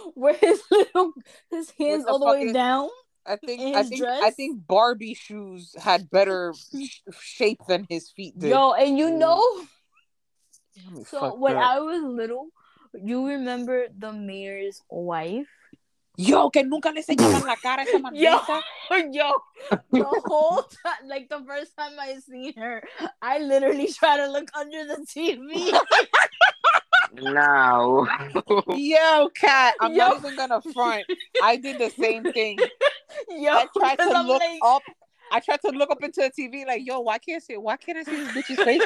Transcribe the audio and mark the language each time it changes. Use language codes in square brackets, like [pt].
[en] Where his hands all the way down? I think Barbie shoes had better shape than his feet did. Yo, and you know, so when I was little, you remember the mayor's wife? [es] Yo, que nunca le enseñaban la cara a esa maldita. [en] Yo, the whole time, like the first time I seen her, I literally try to look under the TV. No. Yo, Kat, not even gonna front. I did the same thing. Yo, I tried to look up into the TV like, yo, why can't I see this bitch's face?